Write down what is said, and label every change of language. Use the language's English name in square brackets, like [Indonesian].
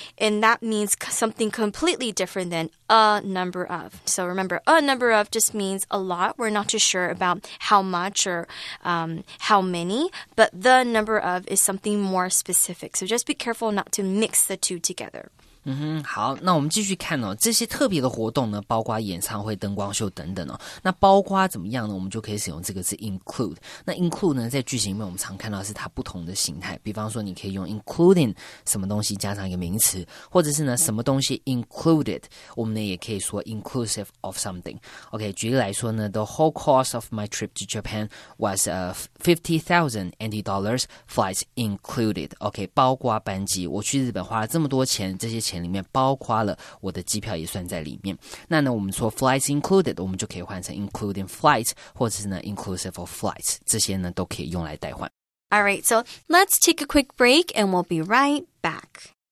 [English] And that means something completely different than a number of. So remember, a number of just means a lot. We're not too sure about how much or how many, but the number of is something more specific. So just be careful not to mix the two together. [Chinese] 好，那我们继续看哦，这些特别的活动呢，包括演唱会、灯光秀等等哦。那包括怎么样呢？我们就可以使用这个字 include。那 include 呢，在句型里面我们常看到是它不同的形态。比方说，你可以用 including 什么东西加上一个名词，或者是呢什么东西 included。我们呢也可以说 inclusive of something。 [English] OK， [Chinese] 举例来说呢 [English] ，the whole cost of my trip to Japan was $50,000 flights included。 [Chinese] OK， 包括班机，我去日本花了这么多钱，这些。钱里面包括了我的机票也算在里面。那呢，我们说 flights included， 我们就可以换成 including flights， 或者是呢 inclusive of flights， 这些呢都可以用来代换。 [English] All right, so let's take a quick break and we'll be right back.